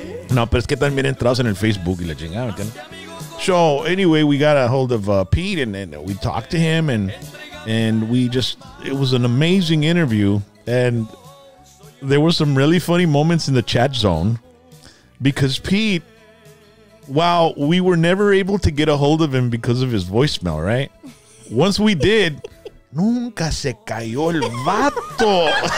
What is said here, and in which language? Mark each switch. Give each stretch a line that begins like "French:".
Spanish: No, pero es que también entras en el Facebook y la chingada, ¿me?
English: So anyway, we got a hold of Pete and we talked to him and we just, it was an amazing interview, and there were some really funny moments in the chat zone, because Pete, while we were never able to get a hold of him because of his voicemail, right? Once we did,
Spanish: nunca se cayó el vato.